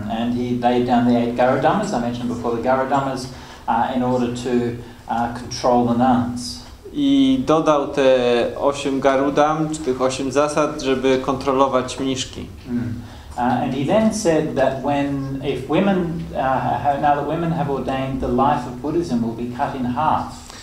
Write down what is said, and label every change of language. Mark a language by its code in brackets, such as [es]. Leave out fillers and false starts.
[en] And he laid down the eight garadhammas, I mentioned before, the garadhammas, in order to control the nuns. [pl] I dodał te 8 garudam, czy tych 8 zasad, żeby kontrolować mniszki. [en] And he then said that when if women now that women have ordained, the life of Buddhism will be cut in half.